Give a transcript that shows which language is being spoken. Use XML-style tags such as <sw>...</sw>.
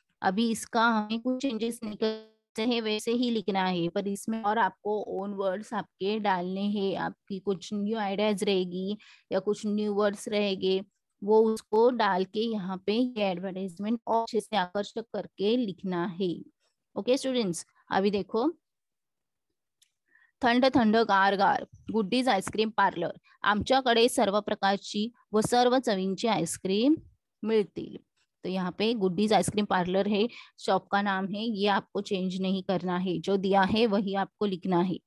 <hi>अभी इसका हमें कुछ चेंजेस नहीं कर है वैसे ही लिखना है, पर इसमें और आपको ओन वर्ड्स आपके डालने हैं, आपकी कुछ न्यू आइडियाज रहेगी या कुछ न्यू वर्ड्स रहेंगे वो उसको डाल के यहाँ पे एडवर्टाइजमेंट और अच्छे से आकर्षक करके लिखना है। ओके स्टूडेंट्स अभी देखो</hi> <mr>थंड थंड गार गार गुड्डीज आइसक्रीम पार्लर, आमच्याकडे सर्व प्रकारची व सर्व चवींची आइसक्रीम मिळतील। तो</mr> <hi>यहाँ पे गुड्डीज आइसक्रीम पार्लर है, शॉप का नाम है, ये आपको चेंज नहीं करना है, जो दिया है वही आपको लिखना है।</hi>